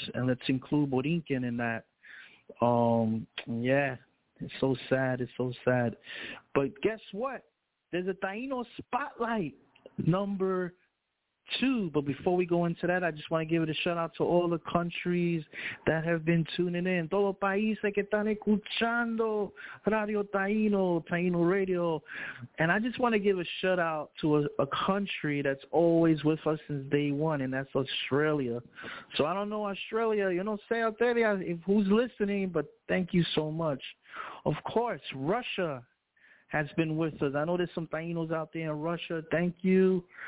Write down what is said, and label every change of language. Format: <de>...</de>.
<en>And let's include Borinquen in that. Yeah, it's so sad. It's so sad. But guess what? There's a Taino Spotlight number 2. But before we go into that, I just want to give it a shout out to all the countries that have been tuning in.</en> <es>Todo país que están escuchando Radio Taino, Taino Radio.</es> <en>And I just want to give a shout out to a country that's always with us since day one, and that's Australia. So I don't know, Australia, you know, say out there who's listening, but thank you so much. Of course, Russia has been with us. I know there's some Tainos out there in Russia. Thank you.</en>